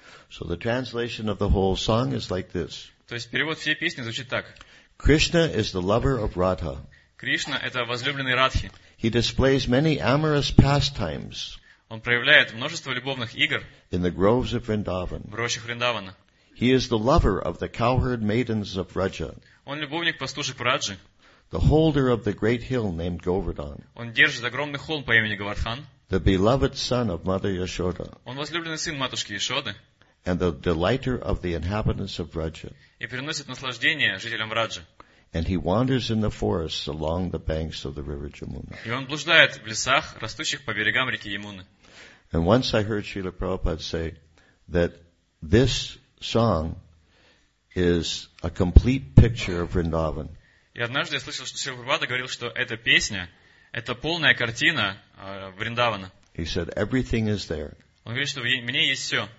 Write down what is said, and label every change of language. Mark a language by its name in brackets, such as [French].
[English] So the translation of the whole song is like this. [Russian] То есть перевод всей песни звучит так. [English] Krishna is the lover of Radha. [Russian] Кришна это возлюбленный Радхи. [English] He displays many amorous pastimes. [Russian] Он проявляет множество любовных игр. [English] In the groves of Vrindavan. [Russian] В рощах Вриндавана. [English] He is the lover of the cowherd maidens of Raja. [Russian] Он любовник пастушек в Раджи. [English] The holder of the great hill named Govardhan. [Russian] Он держит огромный холм по имени Говардхан. [English] The beloved son of Mother Yashoda. [Russian] Он возлюбленный сын матушки Яшоды. [English] And the delighter of the inhabitants of Raja. [Russian] И приносит наслаждение жителям Раджи. [English] And he wanders in the forests along the banks of the river Jamuna. [Russian] И он блуждает в лесах, растущих по берегам реки Ямуны. [English] And once I heard Srila Prabhupada say that this song is a complete picture of Vrindavan. [Russian] И однажды я слышал, что Шрила Прабхупада говорил, что эта песня — это полная картина Вриндавана. [English] He said, everything is there. [Russian] Он говорит, что в ней есть все.